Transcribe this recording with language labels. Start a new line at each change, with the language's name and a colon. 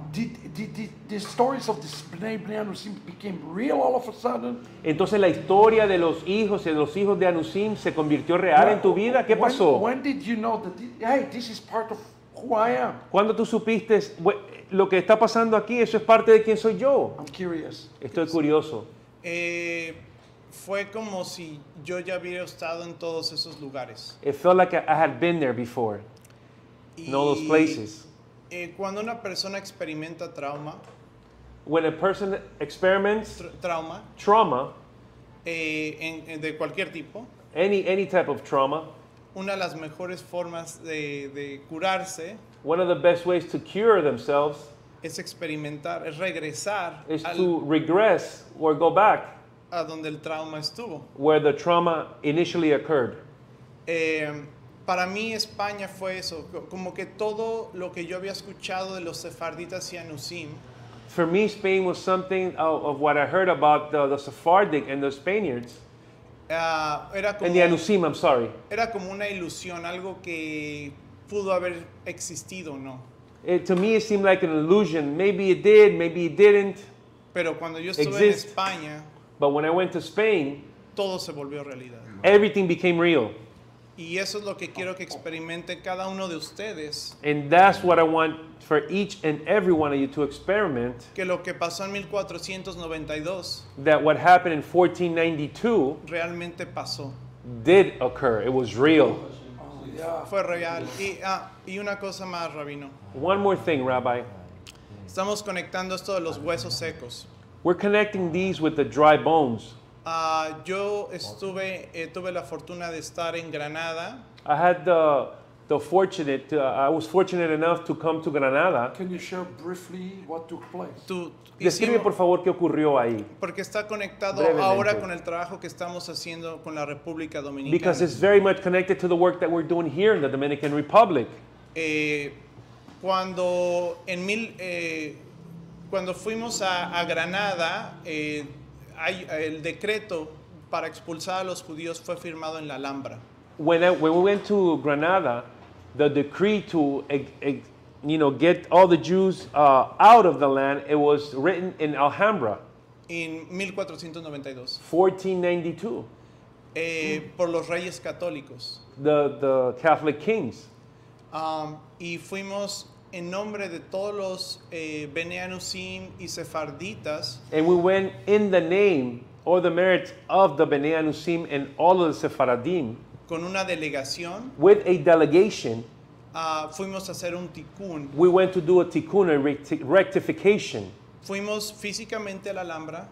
English: The stories of this Bnei Anusim became real all of a sudden.
Spanish: Entonces la historia de los hijos y de los hijos de Anusim se convirtió real en tu vida. ¿Qué pasó?
English: When did you know that this is part of who I am?
Spanish: ¿Cuándo tú supiste lo que está pasando aquí? Eso es parte de quién soy yo.
English: I'm curious.
Spanish: Estoy curioso. Fue como si yo ya hubiera estado en todos esos lugares.
English: It felt like I had been there before. In all those places.
Spanish: Cuando una persona experimenta trauma.
English: When a person experiments trauma. Trauma.
Spanish: De cualquier tipo.
English: Any type of trauma.
Spanish: Una de las mejores formas de curarse.
English: One of the best ways to cure themselves
Spanish: es experimentar, es regresar
English: is to regress or go back
Spanish: a donde el trauma estuvo.
English: Where the trauma initially occurred.
Spanish: Para mí España fue eso, como que todo lo que yo había escuchado de los sefarditas y anusim.
English: For me Spain was something of what I heard about the Sephardic and the Spaniards.
Spanish: Era como
English: and the anusim, I'm sorry.
Spanish: Era como una ilusión, algo que pudo haber existido o no.
English: To me it seemed like an illusion. Maybe it did, maybe it didn't.
Spanish: Pero cuando yo estuve en España.
English: But when I went to Spain.
Spanish: todo se volvió realidad.
English: Everything became real.
Spanish: Y eso es lo que quiero que experimente cada uno de ustedes.
English: And that's what I want for each and every one of you to experiment.
Spanish: Que lo que pasó en 1492.
English: That what happened in 1492.
Spanish: Realmente pasó.
English: Did occur. It was real.
Spanish: Fue real. Y una cosa más, Rabino.
English: One more thing, Rabbi.
Spanish: Estamos conectando esto de los huesos secos.
English: We're connecting these with the dry bones.
Spanish: Yo estuve, tuve la fortuna de estar en Granada.
English: I had the fortunate, I was fortunate enough to come to Granada. Can you share briefly what took place?
Spanish: Describe, por favor, qué ocurrió ahí. Porque está conectado brevemente ahora con el trabajo que estamos haciendo con la República Dominicana.
English: Because it's very much connected to the work that we're doing here in the Dominican Republic.
Spanish: Cuando en mil, cuando fuimos a Granada, hay, el decreto para expulsar a los judíos fue firmado en la Alhambra.
English: When we went to Granada, the decree to you know, get all the Jews out of the land, it was written in Alhambra.
Spanish: En 1492. 1492. Por los reyes católicos.
English: The Catholic kings.
Spanish: Y fuimos en nombre de todos los Bene Anusim y Sefarditas.
English: And we went in the name or the merits of the Bene Anusim and all of the Sefaradim.
Spanish: Con una delegación.
English: With a delegation.
Spanish: Fuimos a hacer un tikkun.
English: We went to do a tikkun, a rectification.
Spanish: Fuimos físicamente a la Alhambra.